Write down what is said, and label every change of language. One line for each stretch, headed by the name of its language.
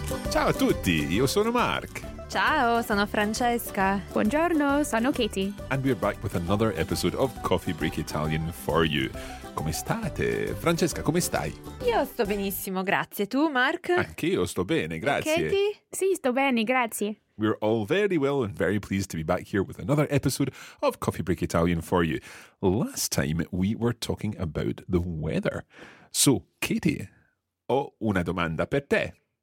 Italian: Ciao a tutti, io sono Mark. Ciao, sono Francesca. Buongiorno, sono Katie.
English: And we're back with another episode of Coffee Break Italian for you.
Italian: Come state? Francesca, come stai? Io sto benissimo, grazie. Tu, Mark? Anch'io sto bene, grazie. E Katie? Sì, sto bene, grazie.
English: We're all very well and very pleased to be back here with another episode of Coffee Break Italian for you. Last time we were talking about the weather.
Italian: So, Katie, ho una domanda per te.